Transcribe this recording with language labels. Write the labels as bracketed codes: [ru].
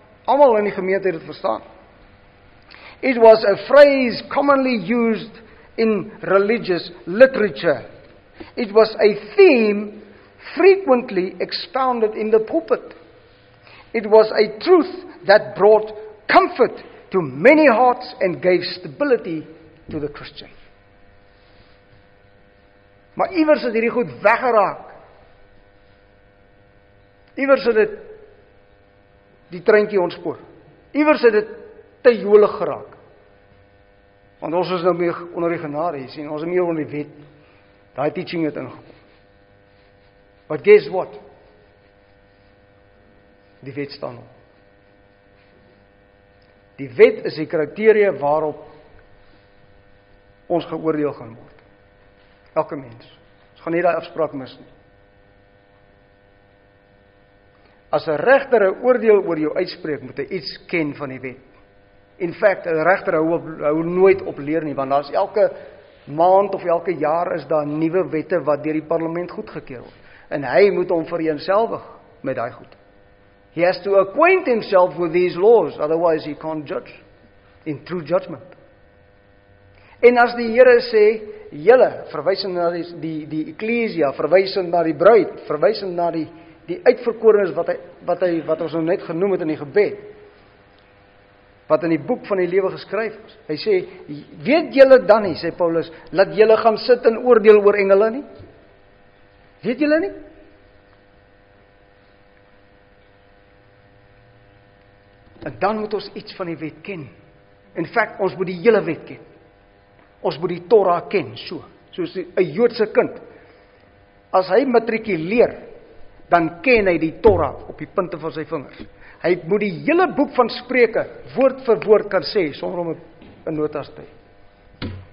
[af] Allemaal in die gemeente het verstaan. [en] It was a phrase commonly used in religious literature. It was a theme frequently expounded in the pulpit. It was a truth that brought comfort to many hearts and gave stability to the Christian. [af] Maar iewers het hierdie goed weggeraak. Iewers het dit die treintjie ontspoor. Iewers het dit te jolig geraak. Want ons is nou meer onder die genade, sien, ons is meer onder die wet. Daai teaching het ingekom. [en] But guess what? [af] Die wet staan op. Die wet is die kriteria waarop ons geoordeel gaan word. Elke mens. Ons gaan nie die afspraak mis nie. As een rechter een oordeel oor jou uitspreek, moet hy iets ken van die wet. [en] In fact, [af] een rechter hou nooit op leer nie, want as elke maand of elke jaar is daar nieuwe wette wat deur die parlement goedgekeur word. En hy moet hom vereenselvig met die goed. [en] He has to acquaint himself with these laws, otherwise he can't judge in true judgment. [af] En as die Here sê, julle, verwysend na die ekklesia, verwysend na die bruid, verwysend na die uitverkorenes wat ons nou net genoem het in die gebed, wat in die boek van die lewe geskryf is, hy sê, weet julle dan nie, sê Paulus, laat julle gaan sit en oordeel oor engele nie? Weet julle nie? En dan moet ons iets van die wet ken. [en] In fact, [af] ons moet die hele wet ken. Ons moet die Torah ken, so. Soos die Joodse kind. As hy matrikuleer, dan ken hy die Torah op die punte van sy vingers. Hy moet die hele boek van Spreuke woord vir woord kan sê, sonder om 'n notas te hê.